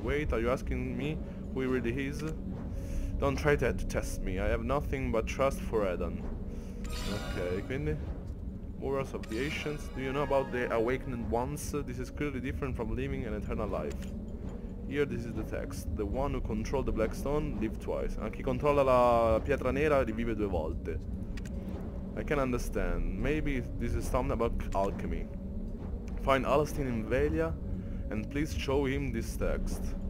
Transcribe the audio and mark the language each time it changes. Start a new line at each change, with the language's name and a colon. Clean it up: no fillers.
English: Wait, are you asking me who he really is? Don't try to test me, I have nothing but trust for Edan. Ok,
Italian: quindi?
English: Warriors of the Ancients. Do you know about the Awakened Ones? This is clearly different from living an eternal life. Here this is the text. The one who controlled the Black Stone lived twice.
Italian: A chi controlla la pietra nera rivive due volte.
English: I can understand. Maybe this is something about alchemy. Find Alastin in Velia and please show him this text.